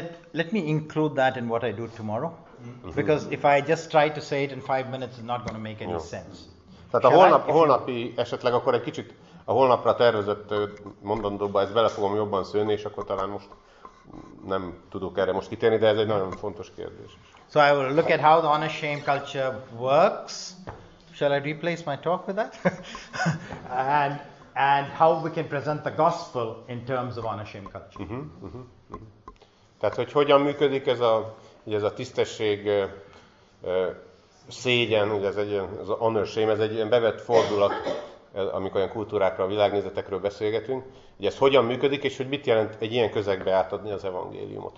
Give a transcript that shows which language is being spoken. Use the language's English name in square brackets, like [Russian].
[English] Let me include that in what I do tomorrow. Because if I just try to say it in 5 minutes, it's not going to make any sense. [Hungarian] Tehát a holnap, holnapi esetleg akkor egy kicsit a holnapra tervezett mondandóba ezt bele fogom jobban szőni, és akkor talán most nem tudok erre most kitérni, de ez egy nagyon fontos kérdés. [English] So I will look at how the honor shame culture works. Shall I replace my talk with that? and how we can present the gospel in terms of honor shame culture. Uh-huh, uh-huh, uh-huh. [Hungarian] Tehát hogy hogyan működik ez a tisztesség szégyen, ugye ez egy az honor shame, ez egy ilyen bevett fordulat, amikor olyan kultúrákra, világnézetekről beszélgetünk, hogy ez hogyan működik, és hogy mit jelent egy ilyen közegbe átadni az evangéliumot.